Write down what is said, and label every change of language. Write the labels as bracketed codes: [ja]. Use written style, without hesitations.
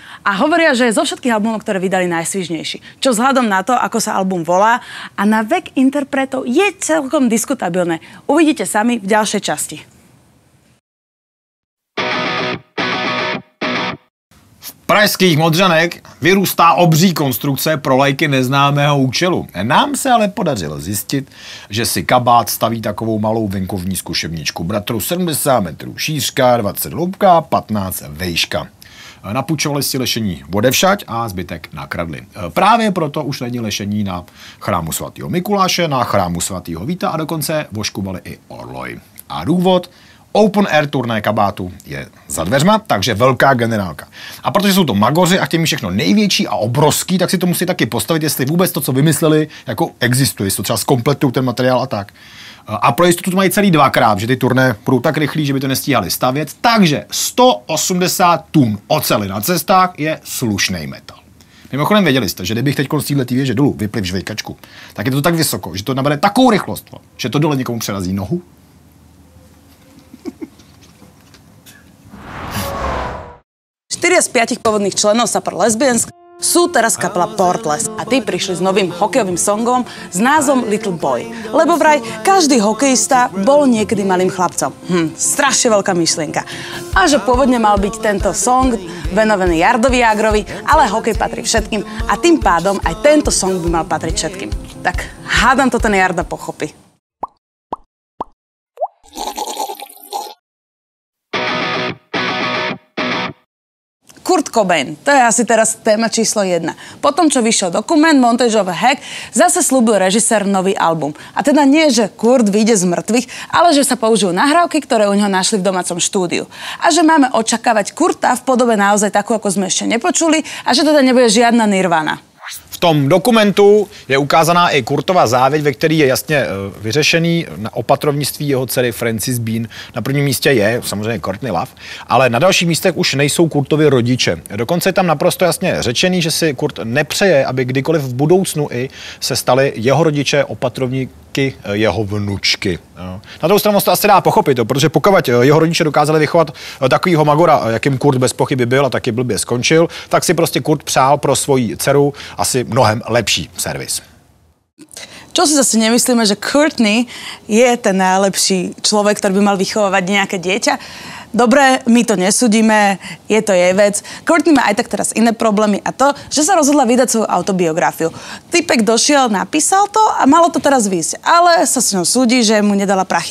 [sk] A hovoria, že je zo všetkých albumov, ktoré vydali, najsvižnejší. Čo vzhľadom na to, ako sa album volá a na vek interpretov, je celkom diskutabilné. Uvidíte sami v ďalšej časti. [cs] V pražských Modřanech vyrůstá obří konstrukce pro lajky neznámého účelu. Nám se ale podařilo zjistit, že si kabát staví takovou malou venkovní zkušebničku. Bratru 70 metrů šířka, 20 hloubka, 15 vejška. Napůjčovali si lešení odevšať a zbytek nakradli. Právě proto už není lešení na chrámu svatého Mikuláše, na chrámu svatého Víta a dokonce voškubali i Orloj. A důvod? Open air turné kabátu je za dveřma, takže velká generálka. A protože jsou to magoři a chtějí všechno největší a obrovský, tak si to musí taky postavit, jestli vůbec to, co vymysleli, jako existuje, jestli to třeba zkompletují ten materiál a tak. A pro jistotu mají celý dvakrát, že ty turné budou tak rychlí, že by to nestíhali stavět. Takže 180 tun oceli na cestách je slušný metal. Mimochodem, věděli jste, že kdybych teď z této věže dolů vyplivl žvejkačku, tak je to tak vysoko, že to nabere takovou rychlost, že to dole někomu přerazí nohu. [sk] Štyria z piatich pôvodných členov Supper Lesbians sú teraz kapela Portless a tí prišli s novým hokejovým songom s názvom Little Boy. Lebo vraj, každý hokejista bol niekedy malým chlapcom. Strašne veľká myšlienka. A že pôvodne mal byť tento song venovaný Jardovi Jágrovi, ale hokej patrí všetkým a tým pádom aj tento song by mal patriť všetkým. Tak hádam to ten Jarda pochopí. Kurt Cobain, to je asi teraz téma číslo 1. Potom, čo vyšiel dokument Montage of a Hack, zase slúbil režisér nový album. A teda nie, že Kurt vyjde z mŕtvych, ale že sa použijú nahrávky, ktoré u neho našli v domácom štúdiu. A že máme očakávať Kurta v podobe naozaj takú, ako sme ešte nepočuli, a že teda nebude žiadna Nirvana. [cs] V tom dokumentu je ukázaná i Kurtova závěť, ve který je jasně vyřešený na opatrovnictví jeho dcery Frances Bean. Na prvním místě je samozřejmě Courtney Love, ale na dalších místech už nejsou Kurtovi rodiče. Dokonce je tam naprosto jasně řečený, že si Kurt nepřeje, aby kdykoliv v budoucnu i se staly jeho rodiče opatrovníky jeho vnučky. Na druhou stranu to asi dá pochopit, protože pokud jeho rodiče dokázali vychovat takovýho magora, jakým Kurt bez pochyby byl a taky blbě skončil, tak si prostě Kurt přál pro svoji dceru asi mnohem lepší servis. [sk] Čo si zase nemyslíme, že Courtney je ten najlepší človek, ktorý by mal vychovávať nejaké dieťa? Dobre, my to nesúdime, je to jej vec. Courtney má aj tak teraz iné problémy a to, že sa rozhodla vydať svoju autobiografiu. Typek došiel, napísal to a malo to teraz vyjsť. Ale sa s ňou súdi, že mu nedala prachy.